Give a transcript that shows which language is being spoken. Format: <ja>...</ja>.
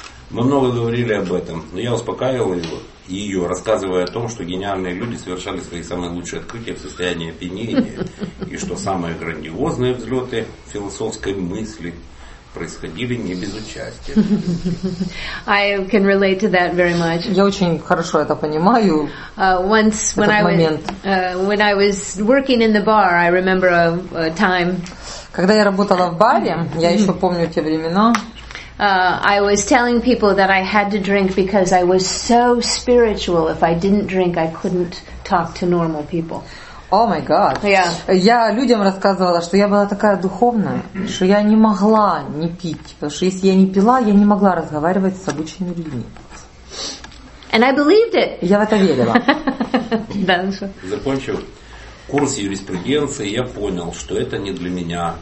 <ru>Мы много говорили об этом, но я успокаивал ее, рассказывая о том, что гениальные люди совершали свои самые лучшие открытия в состоянии опьянения, и что самые грандиозные взлеты философской мысли происходили не без участия.</ru> <en>I can relate to that very much.</en> <ru>Я очень хорошо это понимаю.</ru> <en>Once when I was when I was working in the bar, I remember a time.</en> <ru>Когда я работала в баре, я еще помню те времена.</ru> <en>I was telling people that I had to drink because I was so spiritual. If I didn't drink, I couldn't talk to normal people. О, май гад.</en> <ru>Я людям рассказывала, что я была такая духовная, что я не могла не пить. Потому что если я не пила, я не могла разговаривать с обычными людьми.</ru> <en>And I believed it.</en> <ru>Я в это верила. Дальше. Закончил курс юриспруденции, я понял, что это не для меня.</ru>